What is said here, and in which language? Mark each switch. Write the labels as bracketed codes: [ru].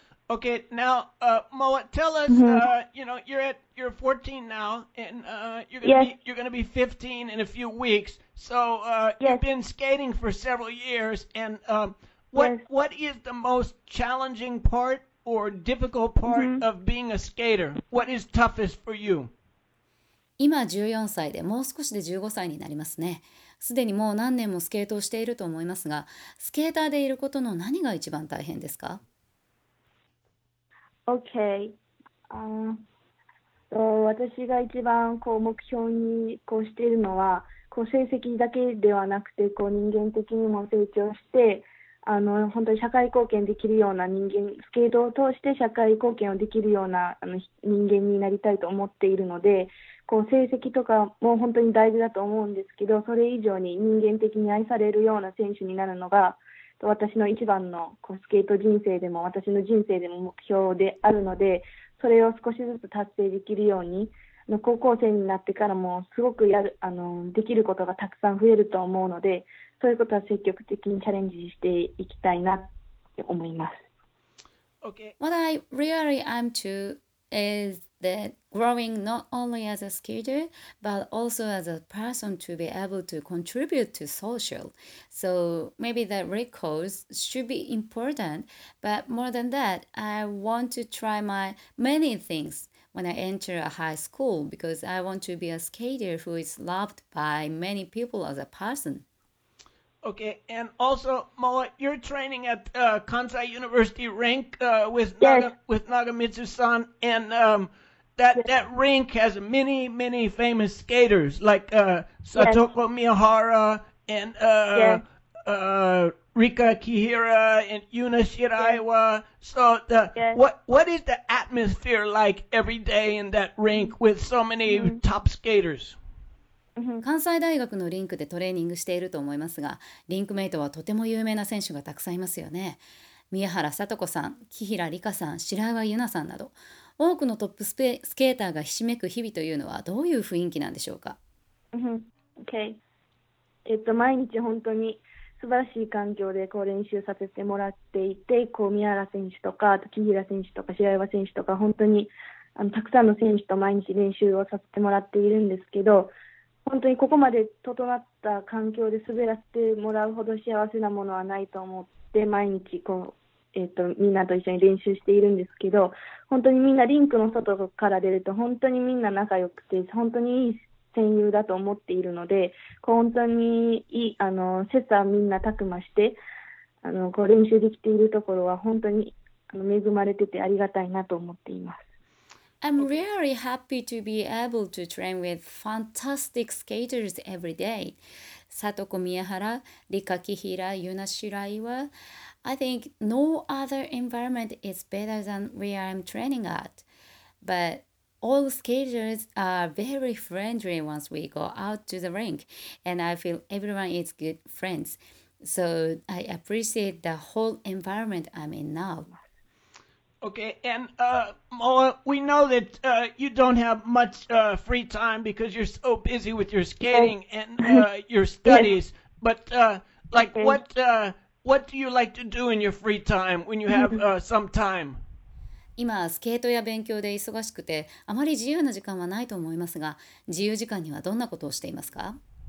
[en] Okay, now, Moa, tell us, you know, you're 14 now, and Yes. you're gonna be 15 in a few weeks. So, you've been skating for several years, and Yes. what is the most challenging part or difficult part of being a skater? What is toughest for you? [ja] 今14歳でもう少しで15歳になりますね。すでにもう何年もスケートをしていると思いますが、スケーターでいることの何が一番大変ですか？ [en] Okay. [ja] 私が一番目標にしているのは、成績だけではなくて、人間的にも成長して、本当に社会貢献できるような人間、スケートを通して社会貢献をできるような人間になりたいと思っているので、成績とかも本当に大事だと思うんですけど、それ以上に人間的に愛されるような選手になるのが、私の一番のスケート人生でも私の人生でも目標であるので、それを少しずつ達成できるように、高校生になってからもすごくできることがたくさん増えると思うので、そういうことは積極的にチャレンジしていきたいなって思います。 [en] Okay. What I really am too is that growing not only as a skater but also as a person to be able to contribute to social. So maybe that recourse should be important, but more than that, I want to try my many things when I enter a high school because I want to be a skater who is loved by many people as a person. Okay, and also, Moa, you're training at Kansai University Rink Yes. with Nagamitsu-san, and that rink has many, many famous skaters like Yes. Satoko Miyahara and Yes. Rika Kihira and Yuna Yes. Shiraiwa. So Yes. what is the atmosphere like every day in that rink with so many top skaters? [ja] 関西大学のリンクでトレーニングしていると思いますが、リンクメイトはとても有名な選手がたくさんいますよね。宮原さと子さん、紀平梨花さん、白岩優奈さんなど、多くのトップスケーターがひしめく日々というのはどういう雰囲気なんでしょうか？ [en] Okay. [ja] 毎日本当に素晴らしい環境で練習させてもらっていて、宮原選手とか、紀平選手とか、白岩選手とか、本当にたくさんの選手と毎日練習をさせてもらっているんですけど、本当にここまで整った環境で滑らせてもらうほど幸せなものはないと思って、毎日みんなと一緒に練習しているんですけど、本当にみんなリンクの外から出ると、本当にみんな仲良くて、本当にいい戦友だと思っているので、本当にいい、切磋みんな琢磨して、練習できているところは本当に恵まれててありがたいなと思っています。 [en] I'm really happy to be able to train with fantastic skaters every day. Satoko Miyahara, Rika Kihira, Yuna Shiraiwa. I think no other environment is better than where I'm training at. But all skaters are very friendly once we go out to the rink, and I feel everyone is good friends. So I appreciate the whole environment I'm in now. Okay, and Moa, we know that you don't have much free time because you're so busy with your skating and your Yes. studies. But like, Okay. what do you like to do in your free time when you have some time? [ja] 今、スケートや勉強で忙しくて、あまり自由な時間はないと思いますが、自由時間にはどんなことをしていますか？